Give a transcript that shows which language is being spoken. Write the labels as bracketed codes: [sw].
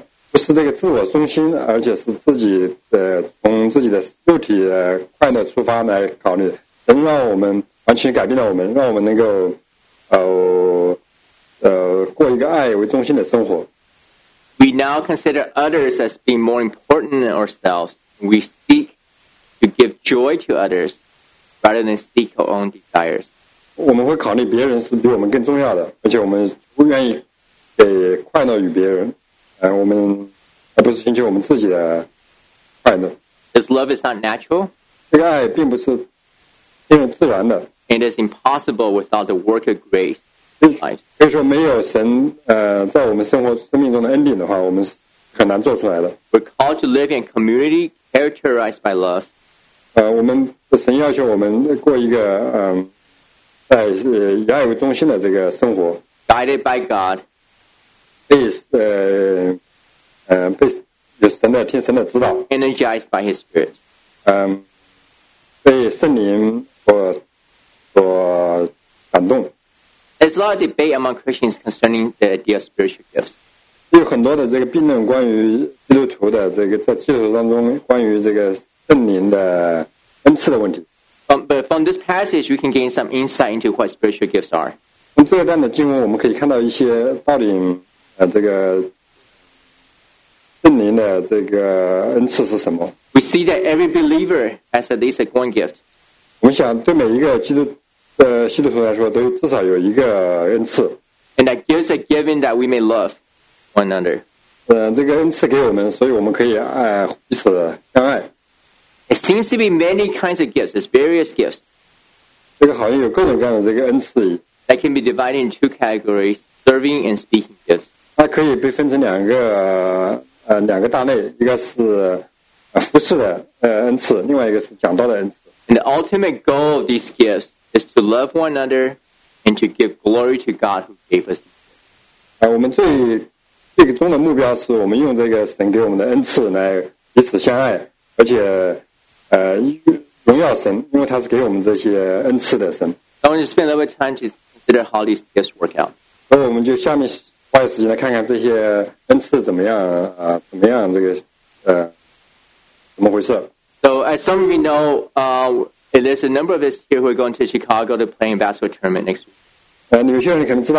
[zh] 不是这个自我中心，而且是自己的从自己的肉体的快乐出发来考虑，能让我们完全改变了我们，让我们能够过一个爱为中心的生活。 [en] We now consider others as being more important than ourselves. We seek to give joy to others rather than seek our own desires. [zh] 我们会考虑别人是比我们更重要的，而且我们不愿意给快乐与别人。我们不是寻求我们自己的快乐。 [en] This love is not natural. [zh] 这个爱并不是因为自然的。 [en] It is impossible without the work of grace. [zh] 可以说没有神在我们生命中的恩典的话，我们是很难做出来的。 [en] We're called to live in a community characterized by love. [zh] 我们神要求我们过一个在以爱为中心的这个生活。 [en] Guided by God. [zh] 被神的听神的指导 [en] ，energized by His Spirit， [zh] 被圣灵所感动。 [en] There's a lot of debate among Christians concerning the idea of spiritual gifts. [zh] 有很多的这个辩论关于基督徒的这个在基督徒当中关于这个圣灵的恩赐的问题。 [en] But from this passage, we can gain some insight into what spiritual gifts are. [zh] 从这一段的经文，我们可以看到一些道理。这个圣灵的这个恩赐是什么 [en] ？We see that every believer has at least one gift. [zh] 我们想对每一个基督徒来说，都至少有一个恩赐。 [en] And that gifts are given that we may love one another. [zh] 这个恩赐给我们，所以我们可以彼此相爱。 [en] It seems to be many kinds of gifts. It's various gifts. [zh] 这个好像有各种各样的这个恩赐。 [en] That can be divided into two categories. Serving and speaking gifts. [zh] 它可以被分成两个大类，一个是服侍的恩赐，另外一个是讲道的恩赐。 [en] And the ultimate goal of these gifts is to love one another and to give glory to God who gave us these gifts. [zh] 我们最终的目标是我们用这个神给我们的恩赐来彼此相爱，而且荣耀神，因为他是给我们这些恩赐的神。 [en] So we're going to spend a little bit of time to consider how these gifts work out. [zh] 那我们就下面花点时间来看看这些恩赐怎么样，怎么样这个，怎么回事。 [en] So as some of you know, there's a number of us here who are going to Chicago to play in basketball tournament next week.